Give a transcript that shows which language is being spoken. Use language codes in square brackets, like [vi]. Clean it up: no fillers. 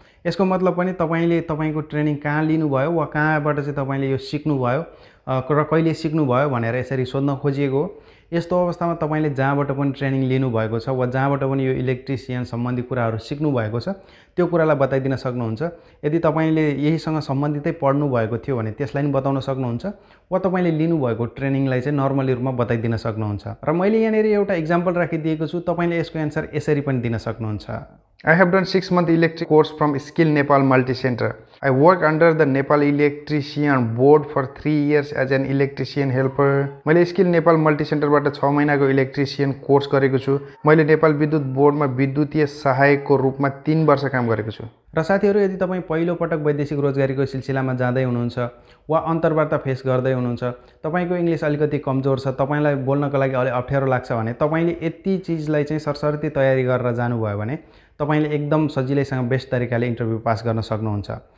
[ne] यसको मतलब पनि तपाईले तपाईको ट्रेनिङ कहाँ लिनु भयो वा कहाँबाट चाहिँ तपाईले यो सिक्नु भयो र कहिले सिक्नु भयो भनेर यसरी सोध्न खोजिएको यस्तो अवस्थामा तपाईले जहाँबाट पनि ट्रेनिङ लिनु भएको छ वा जहाँबाट पनि यो इलेक्ट्रिसियन सम्बन्धी कुराहरू सिक्नु भएको छ त्यो कुरालाई बताइदिन सक्नुहुन्छ यदि तपाईले यही सँग सम्बन्धितै पढ्नु भएको थियो भने त्यसलाई पनि बताउन सक्नुहुन्छ वा तपाईले लिनु भएको ट्रेनिङलाई चाहिँ नर्मली रुपमा बताइदिन सक्नुहुन्छ र मैले यहाँनेरि एउटा एक्जामपल राखिदिएको छु तपाईले यसको आन्सर यसरी पनि दिन सक्नुहुन्छ [en] I have done 6 month electric course from Skill Nepal Multi Center. I work under the Nepal Electrician Board for 3 years as an electrician helper. [ne] मैले Skill Nepal Multi Center बाट 6 महिनाको electrician course गरेको छु. मैले Nepal विद्युत बोर्डमा विद्युतीय सहायकको रूपमा 3 वर्ष काम गरेको छु. र साथीहरु यदि तपाई पहिलो पटक वैदेशिक रोजगारीको सिलसिलामा जाँदै हुनुहुन्छ वा अन्तर्वार्ता फेस गर्दै हुनुहुन्छ तपाईको इंग्लिस अलिकति कमजोर छ तपाईलाई बोल्नको लागि अलि अप्ठ्यारो लाग्छ भने तपाईले यति चीजलाई चाहिँ सरसरती तयारी गरेर जानु भयो भने तपाईले एकदम सजिलैसँग बेस्ट तरिकाले इन्टरभ्यु पास गर्न सक्नुहुन्छ